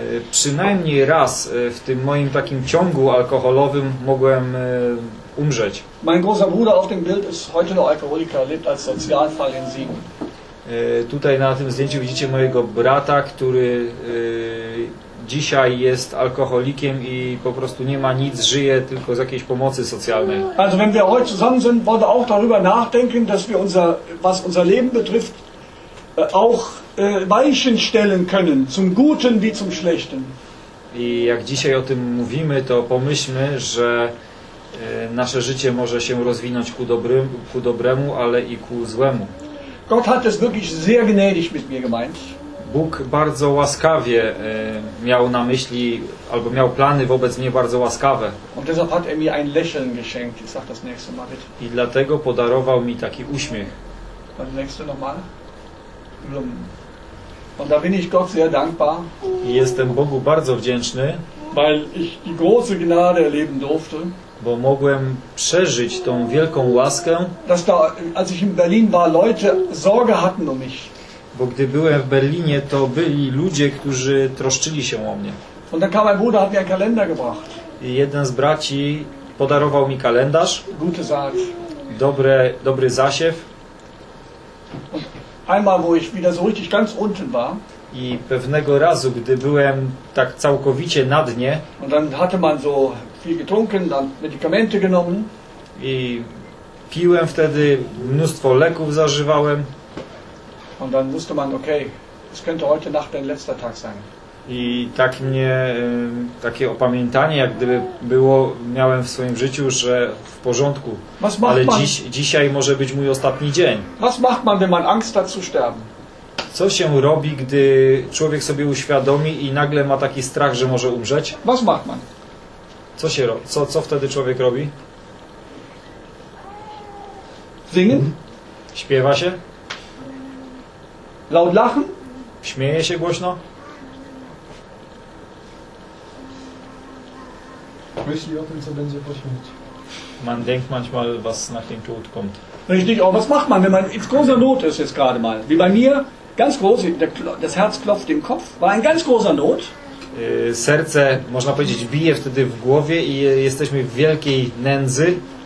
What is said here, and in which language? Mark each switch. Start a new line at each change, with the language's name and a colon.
Polish: Przynajmniej raz w tym moim takim ciągu alkoholowym mogłem umrzeć.
German: Mein großer Bruder auf dem Bild ist heute noch Alkoholiker, lebt als Sozialfall in Siegen.
Polish: Tutaj na tym zdjęciu widzicie mojego brata, który dzisiaj jest alkoholikiem i po prostu nie ma nic, żyje tylko z jakiejś pomocy socjalnej.
German: Also wenn wir heute zusammen sind, wollen wir auch darüber nachdenken, dass wir unser, was unser Leben betrifft, auch Weichen stellen können, zum Guten wie zum Schlechten.
Polish: I jak dzisiaj o tym mówimy, to pomyślmy, że nasze życie może się rozwinąć ku dobremu, ale i ku złemu.
German: Gott hat es wirklich sehr gnädig mit mir gemeint.
Polish: Bóg bardzo łaskawie miał na myśli, albo miał plany wobec mnie bardzo łaskawe.
German: Und deshalb hat mir ein Lächeln geschenkt. Ich sag das nächste Mal bitte.
Polish: I dlatego podarował mi taki uśmiech.
German: Das nächste nochmal. Und da bin ich Gott sehr dankbar.
Polish: I jestem Bogu bardzo wdzięczny,
German: weil ich die große Gnade erleben durfte.
Polish: Bo mogłem przeżyć tą wielką łaskę.
German: Dass da, als ich in Berlin war, Leute Sorge hatten um mich.
Polish: Bo gdy byłem w Berlinie, to byli ludzie, którzy troszczyli się o mnie.
German: Und dann kam mein Bruder, hat mir einen Kalender gebracht.
Polish: I jeden z braci podarował mi kalendarz.
German: Gute Saat.
Polish: Dobry zasiew.
German: Und einmal, wo ich wieder so richtig ganz unten war.
Polish: I pewnego razu, gdy byłem tak całkowicie na dnie.
German: Und dann hatte man so viel getrunken, dann Medikamente genommen.
Polish: I piłem wtedy, mnóstwo leków zażywałem.
German: Und dann wusste man, okay, es könnte heute Nacht dein letzter Tag sein.
Polish: I tak mnie, takie opamiętanie, jak gdyby było, miałem w swoim życiu, że w porządku.
German: Was macht
Polish: ale
German: man,
Polish: dzisiaj może być mój ostatni dzień.
German: Was macht man, wenn man Angst hat zu sterben?
Polish: Co się robi, gdy człowiek sobie uświadomi i nagle ma taki strach, że może umrzeć?
German: Was macht man?
Polish: Co się robi? Co wtedy człowiek robi?
German: Singen?
Polish: Śpiewa się?
German: Laut lachen?
Polish: Śmieje się głośno? Myśli o tym, co będzie po śmierci.
German: Man denkt manchmal, was nach dem Tod kommt. Richtig, aber was macht man, wenn man in großer Not ist jetzt gerade mal? Wie bei mir, ganz groß, das Herz klopft im Kopf, war ein ganz großer Not.
Polish: Serce, można powiedzieć, bije wtedy w głowie i jesteśmy w wielkiej nędzy.